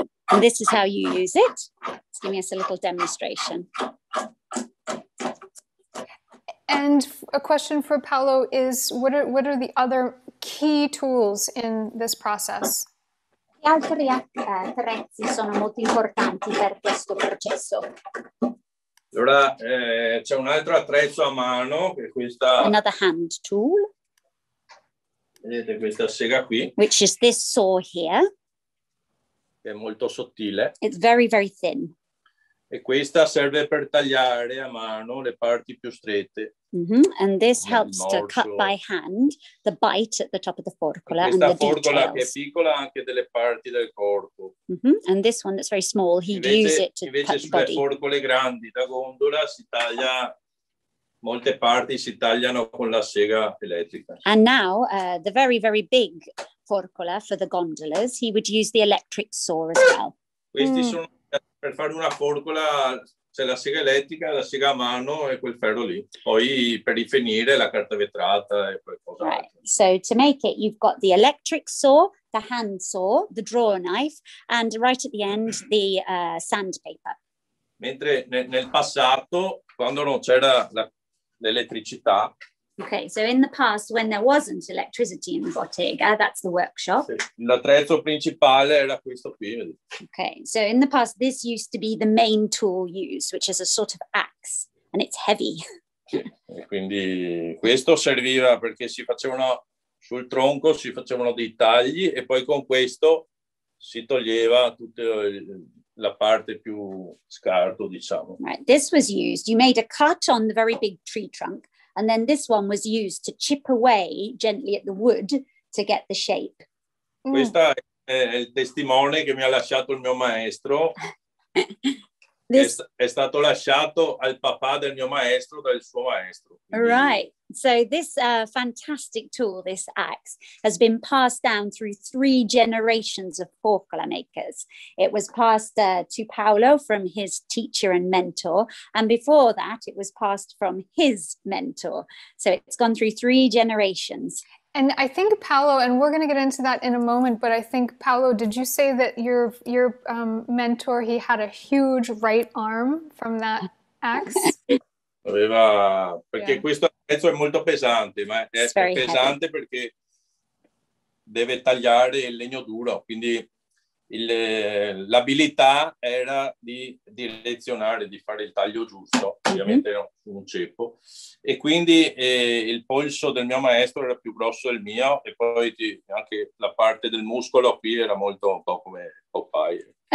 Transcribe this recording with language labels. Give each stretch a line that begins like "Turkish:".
English: And this is how you use it. Let's give us a little demonstration. And a question for Paolo is, what are the other key tools in this process?
Italian: Gli altri attrezzi sono molto importanti per questo processo. Allora, c'è un altro attrezzo a mano, che è questa...
English: Another hand tool.
Italian: Vedete questa sega qui.
English: Which is this saw here.
Italian: Che è molto sottile.
English: It's very, very thin.
Italian: E questa serve per tagliare a mano le parti più strette. Mm-hmm.
English: And this helps to cut by hand the bite at the top of the forcola and the details.
Italian: Questa forcola che è piccola anche delle parti del corpo. Mm-hmm.
English: And this one that's very small, he'd use it to cut the body.
Italian: Invece sulle forcole grandi da gondola si taglia, molte parti si tagliano con la sega elettrica.
English: And now the very, very big forcola for the gondolas, he would use the electric saw as well.
Italian: Questi sono per fare una forcola... C'è la sega elettrica, la sega a mano e quel ferro lì. Poi per rifinire la carta vetrata e qualcosa.
English: Right. So to make it, you've got the electric saw, the hand saw, the draw knife, and right at the end, the sandpaper.
Italian: Mentre nel passato, quando non c'era l'elettricità...
English: Okay, so in the past, when there wasn't electricity in the bottega, that's the workshop.
Italian: L'attrezzo principale era questo qui.
English: Okay, so in the past, this used to be the main tool used, which is a sort of axe, and it's heavy.
Italian: E quindi questo serviva perché si facevano sul tronco, si facevano dei tagli, e poi con questo si toglieva tutto il... La parte più scarto, diciamo.
English: Right, this was used. You made a cut on the very big tree trunk, and then this one was used to chip away gently at the wood to get the shape. Mm.
Italian: Questa è il testimone che mi ha lasciato il mio maestro. È stato lasciato al papà del mio maestro dal suo maestro.
English: Right. So this fantastic tool, this axe, has been passed down through 3 generations of forcola makers. It was passed to Paolo from his teacher and mentor, and before that it was passed from his mentor. So it's gone through 3 generations. And I think Paolo, and we're going to get into that in a moment, but I think, Paolo, did you say that your mentor, he had a huge right arm from that axe?
Italian: Aveva, perché yeah. Questo pezzo è molto pesante, ma è pesante
English: heavy.
Italian: Perché deve tagliare il legno duro, quindi l'abilità era di direzionare, di fare il taglio giusto, ovviamente mm-hmm. un ceppo, e quindi il polso del mio maestro era più grosso del mio, e poi anche la parte del muscolo qui era molto un po' come Popeye.